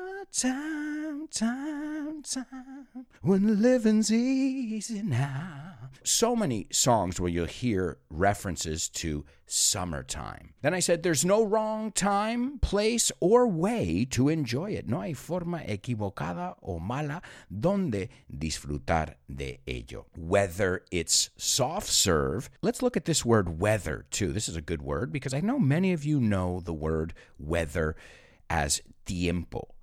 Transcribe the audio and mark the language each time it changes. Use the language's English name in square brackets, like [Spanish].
[English] Summertime, time, time, when living's easy now. So many songs where you'll hear references to summertime. Then I said, there's no wrong time, place, or way to enjoy it. [Spanish] No hay forma equivocada o mala donde disfrutar de ello. [English] Whether it's soft serve, let's look at this word weather too. This is a good word because I know many of you know the word weather as tiempo.